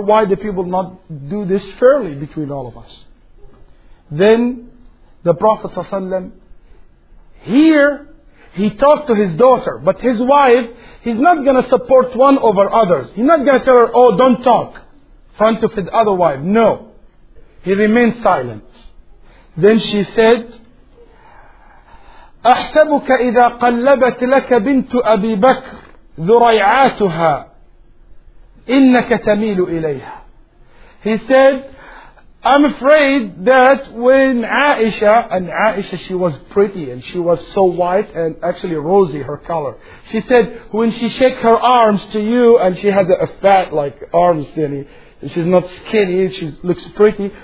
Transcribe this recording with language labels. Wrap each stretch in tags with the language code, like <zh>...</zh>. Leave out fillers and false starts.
<en>Why do people not do this fairly between all of us?" Then the Prophet ﷺ, here he talked to his daughter, but his wife, he's not going to support one over others. He's not going to tell her, "Oh, don't talk," front of the other wife. No. He remained silent. Then she said,</en> <ar>أحسبك إذا قلبت لك بنت أبي بكر ذريعاتها إنك تميل إليها.</ar> <en>He said, "I'm afraid that when Aisha," and Aisha, she was pretty and she was so white and actually rosy her color. She said, "When she shake her arms to you," and she has a fat like arms, and she's not skinny, she looks pretty.</en>